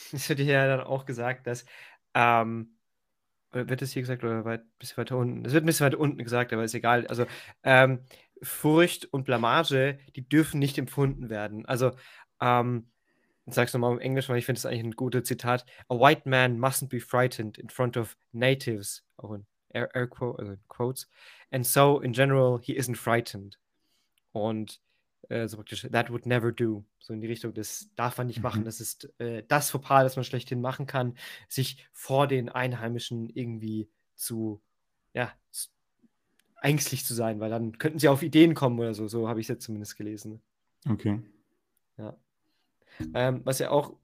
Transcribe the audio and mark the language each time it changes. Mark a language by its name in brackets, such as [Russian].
[German] es wird hier dann auch gesagt, dass wird es hier gesagt oder ein bisschen weiter unten? Es wird ein bisschen weiter unten gesagt, aber ist egal. Also Furcht und Blamage, die dürfen nicht empfunden werden. Also ich sag's nochmal im Englisch, weil ich finde es eigentlich ein gutes Zitat. [English] A white man mustn't be frightened in front of natives. [German] Auch in Quotes. [English] And so, in general, he isn't frightened. [German] Und so praktisch, [English] that would never do. [German] So in die Richtung, das darf man nicht machen. Das ist das Fauxpas, das man schlechthin machen kann, sich vor den Einheimischen irgendwie zu, ja, ängstlich zu sein, weil dann könnten sie auf Ideen kommen oder so. So habe ich es jetzt zumindest gelesen. Okay. Ja. Was ja auch,